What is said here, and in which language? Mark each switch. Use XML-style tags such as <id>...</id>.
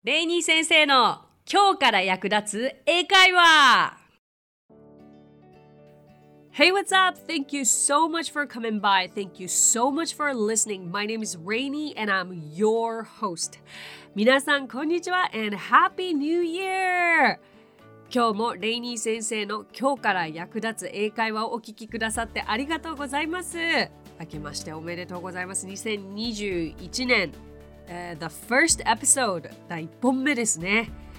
<ja>レイニー先生の今日から役立つ英会話。</ja> <en>Hey, what's up? Thank you so much for coming by. Thank you so much for listening. My name is Rainy and I'm your host.</en> <ja>皆さんこんにちは</ja> <en>and Happy New Year!</en> <ja>今日もレイニー先生の今日から役立つ英会話をお聞きくださってありがとうございます。明けましておめでとうございます。2021年、</ja> <en>The First Episode</en> <ja>第1本目ですね。</ja>